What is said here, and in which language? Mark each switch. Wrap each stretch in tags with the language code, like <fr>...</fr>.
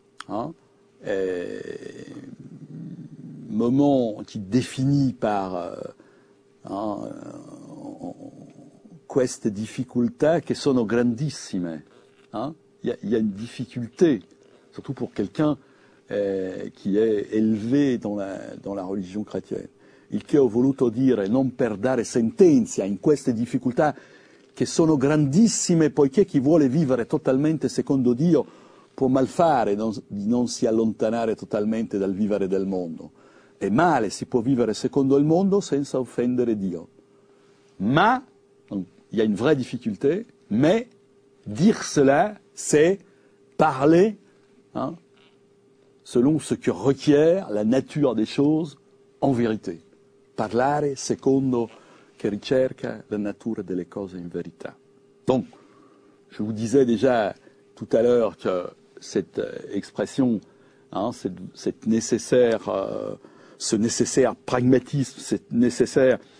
<fr>Hein, et moment qui définit par</fr> <it>queste difficultà che sono grandissime.</it> <fr>Hein? Il y a une difficulté, surtout pour quelqu'un qui est élevé dans la religion chrétienne.</fr> <it>Il che ho voluto dire, non per dare sentenza in queste difficultà che sono grandissime, poiché chi vuole vivere totalmente secondo Dio può mal fare di non si allontanare totalmente dal vivere del mondo. E male si può vivere secondo il mondo senza offendere Dio.</it> <fr>Ma, il y a une vraie difficulté, mais dire cela, c'est parler hein, selon ce que requiert la nature des choses en vérité.</fr> <it>Parlare secondo che ricerca la natura delle cose in verità.</it> <fr>Donc, je vous disais déjà tout à l'heure que cette expression, hein, ce nécessaire pragmatisme, cette nécessaire</fr>